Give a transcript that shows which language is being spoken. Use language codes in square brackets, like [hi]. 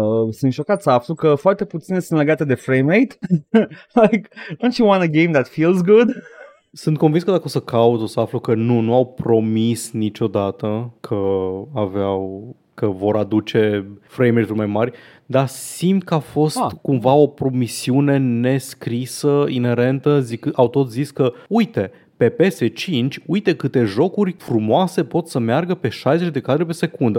[ro] Sunt șocat să aflu că foarte puține sunt legate de frame rate. [en] Like, don't you want a game that feels good? [ro] Sunt convins că dacă o să caut, o să aflu că nu au promis niciodată că aveau că vor aduce frame rate-uri mai mari, dar simt că a fost cumva o promisiune nescrisă, inerentă, zic, au tot zis că uite, pe PS5, uite câte jocuri frumoase pot să meargă pe 60 de cadre pe secundă.